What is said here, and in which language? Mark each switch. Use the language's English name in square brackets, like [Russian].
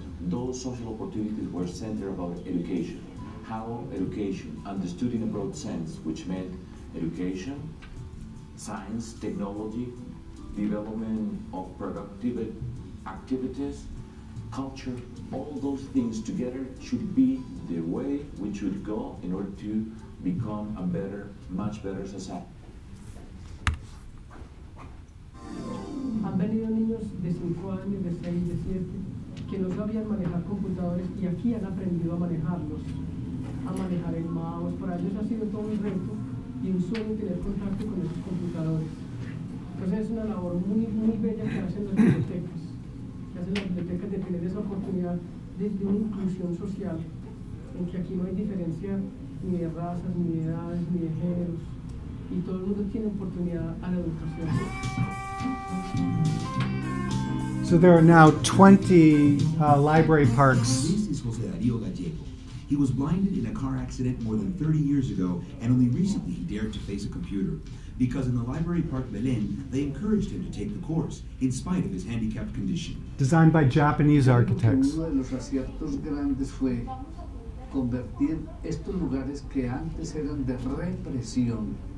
[English] Those social opportunities were centered about education. How education, understood in a broad sense, which meant education, science, technology, development of productive activities, culture, all those things together should be the way we should go in order to become a better, much better society. [Spanish] Han venido niños de 5 años, de 6, de 7, que no sabían manejar computadores y aquí han aprendido a manejarlos, a manejar el mouse. Para ellos ha sido todo un reto y un sueño tener contacto con esos computadores. Entonces es una labor muy, muy bella que hacen las bibliotecas, que hacen las bibliotecas de tener esa oportunidad desde una inclusión social, en que aquí no hay diferencia ni de razas, ni de edades, ni de géneros. Y todo el mundo tiene oportunidad a la educación. [English] So there are now 20 library parks. This is José Darío Gallego. He was blinded in a car accident more than 30 years ago, and only recently he dared to face a computer. Because in the library park Belén, they encouraged him to take the course, in spite of his handicapped condition. Designed by Japanese architects. One of the great [Spanish] convertir estos lugares que antes eran de represión.